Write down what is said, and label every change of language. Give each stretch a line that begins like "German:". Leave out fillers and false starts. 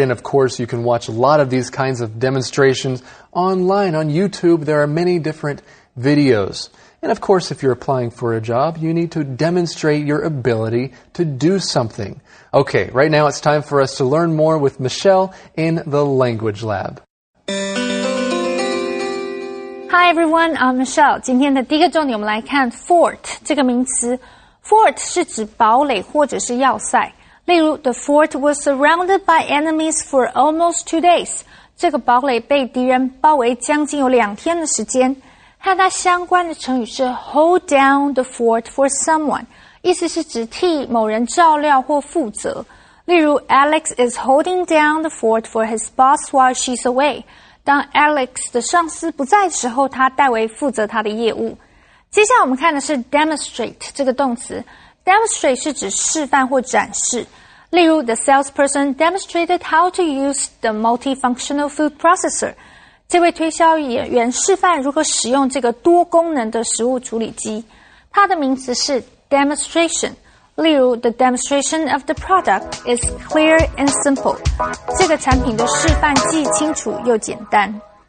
English: And of course, you can watch a lot of these kinds of demonstrations online on YouTube. There are many different videos. And of course, if you're applying for a job, you need to demonstrate your ability to do something. Okay, right now it's time for us to learn more with Michelle in the Language Lab. Hi everyone, I'm Michelle.
Chinese: 今天的第一个重点我们来看 fort 这个名词。 Fort 是指堡垒或者是要塞。
English: 例如 ,the fort was surrounded by enemies for almost 2 days.
Chinese: 这个堡垒被敌人包围将近有两天的时间。和它相关的成语是 hold down the fort for someone。意思是指替某人照料或负责。
English: 例如 ,Alex is holding down the fort for his boss while she's away.
Chinese: 当 Alex 的上司不在的时候他代为负责他的业务。接下来我们看的是 demonstrate 这个动词。Demonstrate 是指示范或展示。
English: 例如 ,the salesperson demonstrated how to use the multifunctional food processor.
Chinese: 这位推销员示范如何使用这个多功能的食物处理机。它的名词是Demonstration.
English: 例如 the demonstration of the product is clear and simple.
Chinese: 这个产品的示范既清楚又简单。